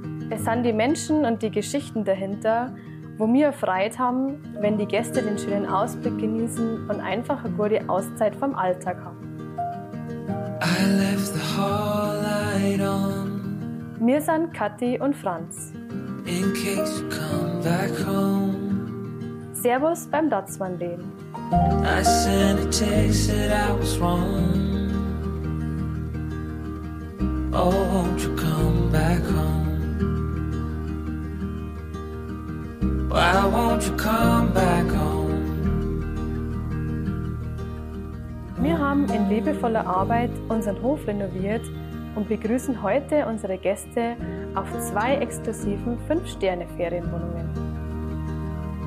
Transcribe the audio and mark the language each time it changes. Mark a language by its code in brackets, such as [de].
[de] Es sind die Menschen und die Geschichten dahinter, wo wir Freude haben, wenn die Gäste den schönen Ausblick genießen und einfach eine gute Auszeit vom Alltag haben. [en] I left the hall light on. [de] Wir sind Kathi und Franz. [en] In case you come back home. [de] Servus beim Datsmann-Lehn. [en] I sent a text that I was wrong. Oh, won't you come back home? Why won't you come back home? [de] Wir haben in liebevoller Arbeit unseren Hof renoviert und begrüßen heute unsere Gäste auf zwei exklusiven 5-Sterne-Ferienwohnungen.